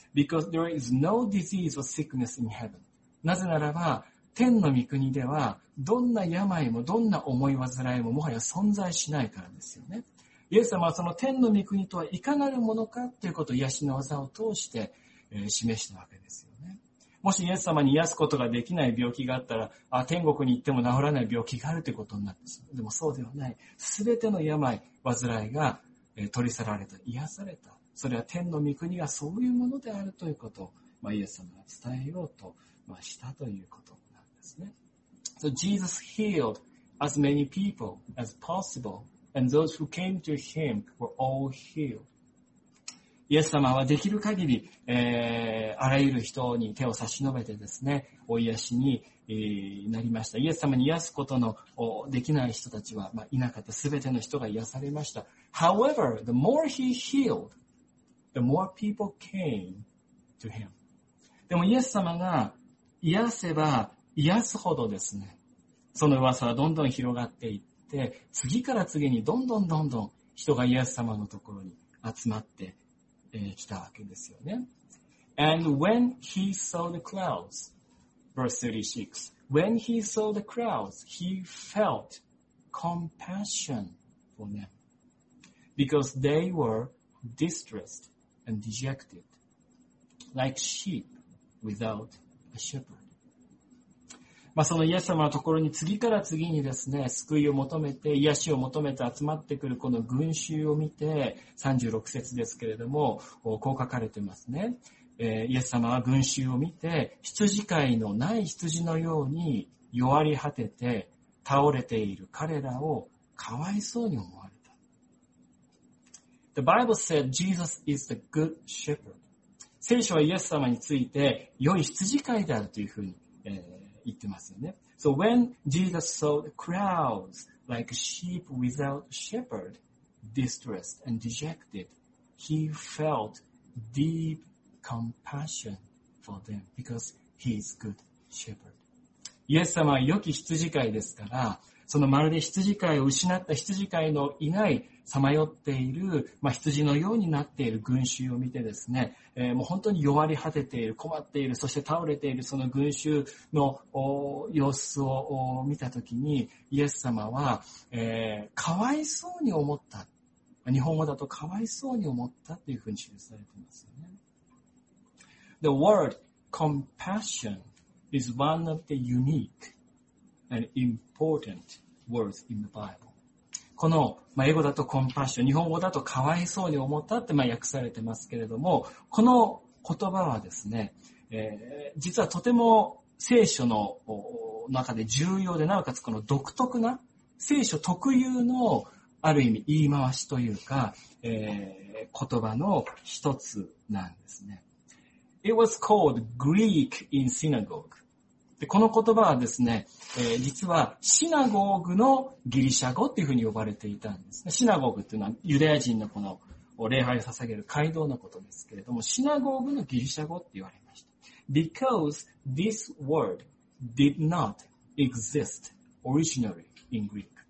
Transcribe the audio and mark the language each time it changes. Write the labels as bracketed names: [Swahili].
[English] Because there is no disease or sickness in heaven. [Japanese] なぜならば天の御国ではどんな病もどんな思い煩いももはや存在しないからですよね。イエス様はその天の御国とはいかなるものかということを癒しの技を通して示したわけですよね。もしイエス様に癒すことができない病気があったら、あ、天国に行っても治らない病気があるということになってしまう。でもそうではない。すべての病、患いが取り去られた、癒された。それは天の御国がそういうものであるということを、まあ、イエス様が伝えようと、まあ、したということなんですね。 [English] So Jesus healed as many people as possible. And those who came to him were all healed. [Japanese] イエス様はできる限り、あらゆる人に手を差し伸べてですね、お癒しになりました。イエス様に癒すことのできない人たちは、まあ、いなかった。すべての人が癒されました。 [English] However, the more he healed, the more people came to him. [Japanese] でもイエス様が癒せば癒すほどですね、その噂はどんどん広がっていって、で次から次にどんどんどんどん人がイエス様のところに集まってきたわけですよね。 [English] And when he saw the crowds, verse 36, when he saw the crowds, he felt compassion for them, because they were distressed and dejected, like sheep without a shepherd. [Japanese] まあ、そのイエス様のところに次から次にですね、救いを求めて、癒しを求めて集まってくるこの群衆を見て、36節ですけれども、こう書かれてますね。イエス様は群衆を見て、羊飼いのない羊のように弱り果てて、倒れている彼らをかわいそうに思われた。 [English] The Bible said Jesus is the good shepherd. [Japanese] 聖書はイエス様について、良い羊飼いであるというふうに、言ってますよね。 [English] So when Jesus saw the crowds like sheep without shepherd, distressed and dejected, he felt deep compassion for them because he is good shepherd. [Japanese] イエス様は良き羊飼いですから、そのまるで羊飼いを失った羊飼いのいないさまよっている、まあ、羊のようになっている群衆を見てですね、もう本当に弱り果てている、困っている、そして倒れているその群衆の様子を見たときに、イエス様は、かわいそうに思った。日本語だとかわいそうに思ったっていうふうに記されていますよね。 [English] The word compassion is one of the unique and important words in the Bible. [Japanese] この、まあ、英語だとコンパッション、日本語だとかわいそうに思ったってまあ訳されてますけれども、この言葉はですね、実はとても聖書の中で重要で、なおかつこの独特な聖書特有のある意味言い回しというか、言葉の一つなんですね。 [English] It was called Greek in synagogue. [Japanese] でこの言葉はですね、実はシナゴーグのギリシャ語っていうふうに呼ばれていたんです。シナゴーグっていうのはユダヤ人のこの礼拝を捧げる街道のことですけれども、シナゴーグのギリシャ語って言われました。 [English] Because this word did not exist originally in Greek.